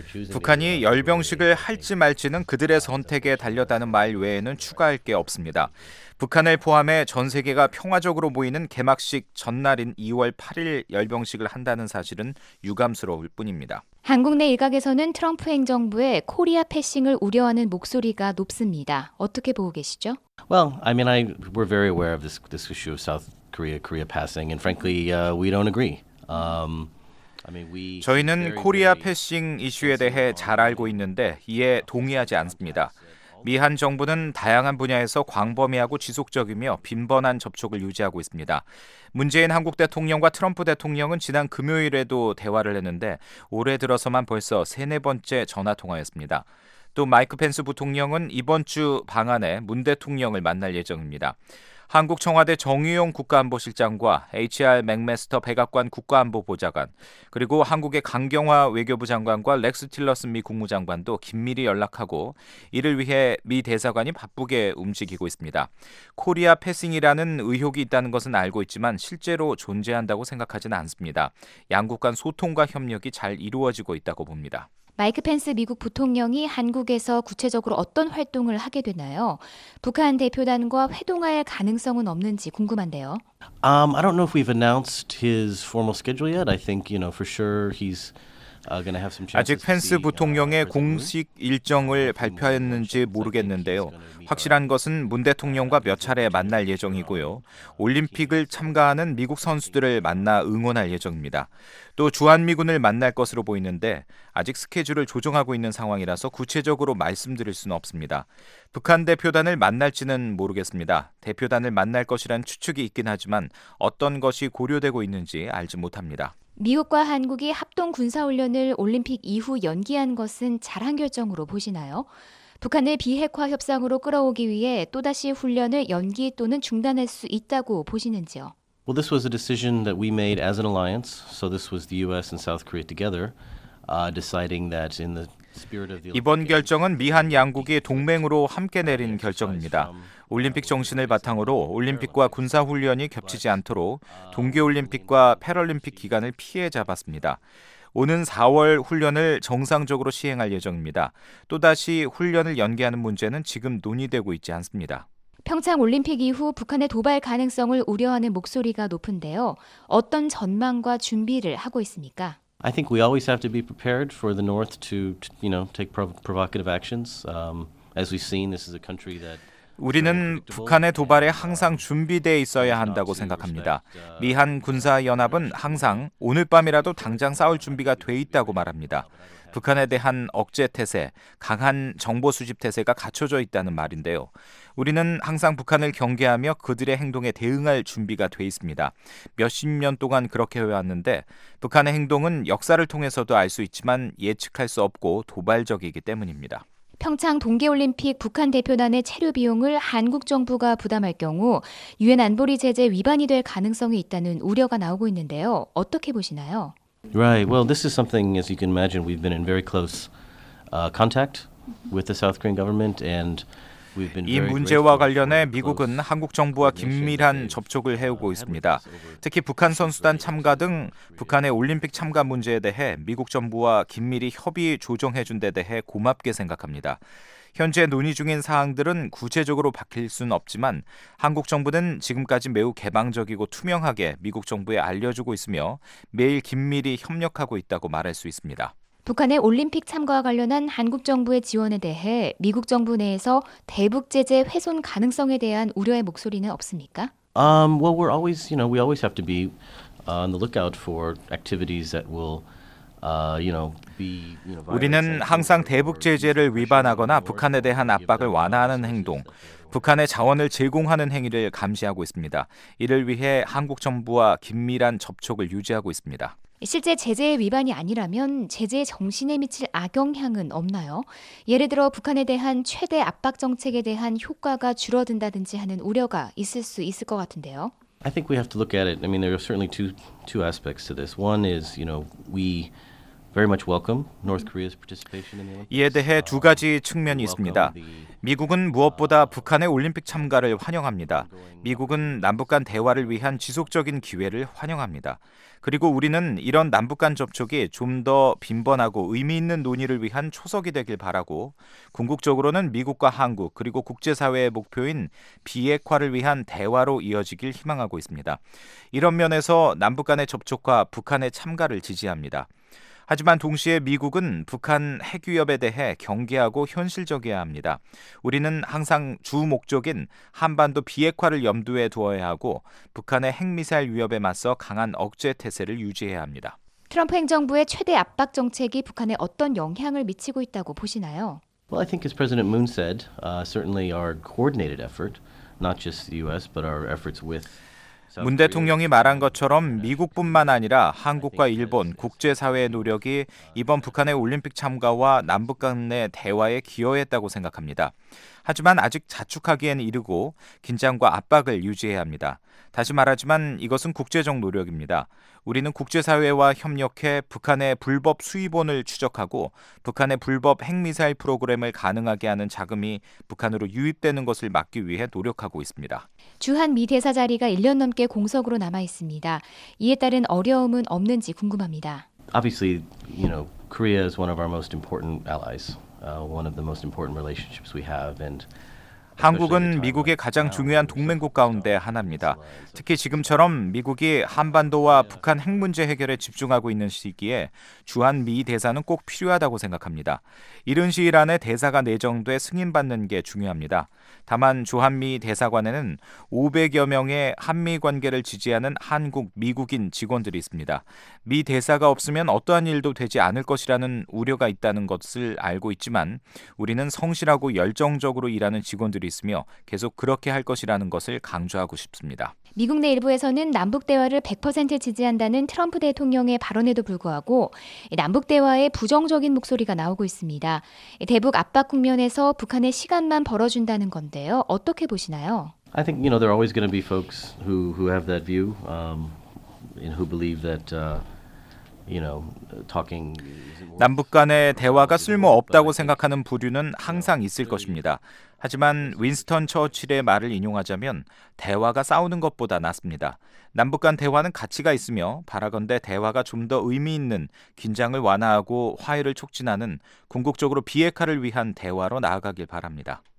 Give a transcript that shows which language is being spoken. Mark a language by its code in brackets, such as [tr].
[ko] 북한이 열병식을 할지 말지는 그들의 선택에 달렸다는 말 외에는 추가할 게 없습니다. 북한을 포함해 전 세계가 평화적으로 모이는 개막식 전날인 2월 8일 열병식을 한다는 사실은 유감스러울 뿐입니다. 한국 내 일각에서는 트럼프 행정부의 코리아 패싱을 우려하는 목소리가 높습니다. 어떻게 보고 계시죠? [en] Well, I mean, we're very aware of this issue of South Korea, Korea passing, and frankly, we don't agree. [ko] 저희는 코리아 패싱 이슈에 대해 잘 알고 있는데 이에 동의하지 않습니다. 미한 정부는 다양한 분야에서 광범위하고 지속적이며 빈번한 접촉을 유지하고 있습니다. 문재인 한국 대통령과 트럼프 대통령은 지난 금요일에도 대화를 했는데 올해 들어서만 벌써 세네 번째 전화통화였습니다. 또 마이크 펜스 부통령은 이번 주 방한에 문 대통령을 만날 예정입니다. 한국 청와대 정의용 국가안보실장과 HR 맥메스터 백악관 국가안보보좌관, 그리고 한국의 강경화 외교부 장관과 렉스 틸러슨 미 국무장관도 긴밀히 연락하고 이를 위해 미 대사관이 바쁘게 움직이고 있습니다. 코리아 패싱이라는 의혹이 있다는 것은 알고 있지만 실제로 존재한다고 생각하지는 않습니다. 양국 간 소통과 협력이 잘 이루어지고 있다고 봅니다. 마이크 펜스 미국 부통령이 한국에서 구체적으로 어떤 활동을 하게 되나요? 북한 대표단과 회동할 가능성은 없는지 궁금한데요. [en] I don't know if we've announced his formal schedule yet. I think, you know, for sure he's [ko] 아직 펜스 부통령의 공식 일정을 발표했는지 모르겠는데요. 확실한 것은 문 대통령과 몇 차례 만날 예정이고요. 올림픽을 참가하는 미국 선수들을 만나 응원할 예정입니다. 또 주한미군을 만날 것으로 보이는데 아직 스케줄을 조정하고 있는 상황이라서 구체적으로 말씀드릴 수는 없습니다. 북한 대표단을 만날지는 모르겠습니다. 대표단을 만날 것이란 추측이 있긴 하지만 어떤 것이 고려되고 있는지 알지 못합니다. 미국과 한국이 합동 군사훈련을 올림픽 이후 연기한 것은 잘한 결정으로 보시나요? 북한을 비핵화 협상으로 끌어오기 위해 또다시 훈련을 연기 또는 중단할 수 있다고 보시는지요? [en] Well, this was a decision that we made as an alliance. So this was the U.S. and South Korea together deciding that in the [ko] 이번 결정은 미한 양국이 동맹으로 함께 내린 결정입니다. 올림픽 정신을 바탕으로 올림픽과 군사훈련이 겹치지 않도록 동계올림픽과 패럴림픽 기간을 피해 잡았습니다. 오는 4월 훈련을 정상적으로 시행할 예정입니다. 또다시 훈련을 연기하는 문제는 지금 논의되고 있지 않습니다. 평창올림픽 이후 북한의 도발 가능성을 우려하는 목소리가 높은데요. 어떤 전망과 준비를 하고 있습니까? [en] I think we always have to be prepared for the North to, you know, take provocative actions. As we've seen, this is a country that [ko] 우리는 북한의 도발에 항상 준비되어 있어야 한다고 생각합니다. 미한 군사연합은 항상 오늘 밤이라도 당장 싸울 준비가 돼 있다고 말합니다. 북한에 대한 억제 태세, 강한 정보 수집 태세가 갖춰져 있다는 말인데요. 우리는 항상 북한을 경계하며 그들의 행동에 대응할 준비가 돼 있습니다. 몇십 년 동안 그렇게 해왔는데 북한의 행동은 역사를 통해서도 알 수 있지만 예측할 수 없고 도발적이기 때문입니다. 평창 동계올림픽 북한 대표단의 체류 비용을 한국 정부가 부담할 경우 유엔 안보리 제재 위반이 될 가능성이 있다는 우려가 나오고 있는데요. 어떻게 보시나요? [en] Right. Well, this is something, as you can imagine, we've been in very close contact with the South Korean government and [ko] 이 문제와 관련해 미국은 한국 정부와 긴밀한 접촉을 해오고 있습니다. 특히 북한 선수단 참가 등 북한의 올림픽 참가 문제에 대해 미국 정부와 긴밀히 협의 조정해 준 데 대해 고맙게 생각합니다. 현재 논의 중인 사항들은 구체적으로 밝힐 수는 없지만 한국 정부는 지금까지 매우 개방적이고 투명하게 미국 정부에 알려주고 있으며 매일 긴밀히 협력하고 있다고 말할 수 있습니다. 북한의 올림픽 참가와 관련한 한국 정부의 지원에 대해 미국 정부 내에서 대북 제재 훼손 가능성에 대한 우려의 목소리는 없습니까? [en] Well, we're always, you know, we always have to be on the lookout for activities that will [ko] 우리는 항상 대북 제재를 위반하거나 북한에 대한 압박을 완화하는 행동, 북한에 자원을 제공하는 행위를 감시하고 있습니다. 이를 위해 한국 정부와 긴밀한 접촉을 유지하고 있습니다. 실제 제재의 위반이 아니라면 제재의 정신에 미칠 악영향은 없나요? 예를 들어 북한에 대한 최대 압박 정책에 대한 효과가 줄어든다든지 하는 우려가 있을 수 있을 것 같은데요. [en] I think we have to look at it. I mean, there are certainly two aspects to this. One is, you know, we Very much welcome North Korea's participation in the Olympics. [ko] 이에 대해 두 가지 측면이 있습니다. 미국은 무엇보다 북한의 올림픽 참가를 환영합니다. 미국은 남북 간 대화를 위한 지속적인 기회를 환영합니다. 그리고 우리는 이런 남북 간 접촉이 좀 더 빈번하고 의미 있는 논의를 위한 초석이 되길 바라고 궁극적으로는 미국과 한국 그리고 국제사회의 목표인 비핵화를 위한 대화로 이어지길 희망하고 있습니다. 이런 면에서 남북 간의 접촉과 북한의 참가를 지지합니다. 하지만 동시에 미국은 북한 핵 위협에 대해 경계하고 현실적이어야 합니다. 우리는 항상 주 목적인 한반도 비핵화를 염두에 두어야 하고 북한의 핵미사일 위협에 맞서 강한 억제 태세를 유지해야 합니다. 트럼프 행정부의 최대 압박 정책이 북한에 어떤 영향을 미치고 있다고 보시나요? [en] Well, I think as President Moon said, certainly our coordinated effort, not just the US, but our efforts with [ko] 문 대통령이 말한 것처럼 미국뿐만 아니라 한국과 일본, 국제사회의 노력이 이번 북한의 올림픽 참가와 남북 간의 대화에 기여했다고 생각합니다. 하지만 아직 자축하기엔 이르고 긴장과 압박을 유지해야 합니다. 다시 말하지만 이것은 국제적 노력입니다. 우리는 국제사회와 협력해 북한의 불법 수입원을 추적하고 북한의 불법 핵미사일 프로그램을 가능하게 하는 자금이 북한으로 유입되는 것을 막기 위해 노력하고 있습니다. 주한미 대사 자리가 1년 넘게 공석으로 남아 있습니다. 이에 따른 어려움은 없는지 궁금합니다. [en] Obviously, you know, Korea is one of our most important allies. One of the most important relationships we have and [ko] 한국은 미국의 가장 중요한 동맹국 가운데 하나입니다. 특히 지금처럼 미국이 한반도와 북한 핵 문제 해결에 집중하고 있는 시기에 주한미 대사는 꼭 필요하다고 생각합니다. 이른 시일 안에 대사가 내정돼 승인받는 게 중요합니다. 다만 주한미 대사관에는 500여 명의 한미 관계를 지지하는 한국, 미국인 직원들이 있습니다. 미 대사가 없으면 어떠한 일도 되지 않을 것이라는 우려가 있다는 것을 알고 있지만 우리는 성실하고 열정적으로 일하는 직원 들이 있으며 계속 그렇게 할 것이라는 것을 강조하고 싶습니다. 미국 내 일부에서는 남북 대화를 100% 지지한다는 트럼프 대통령의 발언에도 불구하고 남북 대화에 부정적인 목소리가 나오고 있습니다. 대북 압박 국면에서 북한의 시간만 벌어준다는 건데요. 어떻게 보시나요? [en] I think you know there are always going to be folks who have that view and who believe that you know talking [ko] 남북 간의 대화가 쓸모없다고 생각하는 부류는 항상 있을 것입니다. 하지만 윈스턴 처칠의 말을 인용하자면 대화가 싸우는 것보다 낫습니다. 남북 간 대화는 가치가 있으며 바라건대 대화가 좀 더 의미 있는 긴장을 완화하고 화해를 촉진하는 궁극적으로 비핵화를 위한 대화로 나아가길 바랍니다.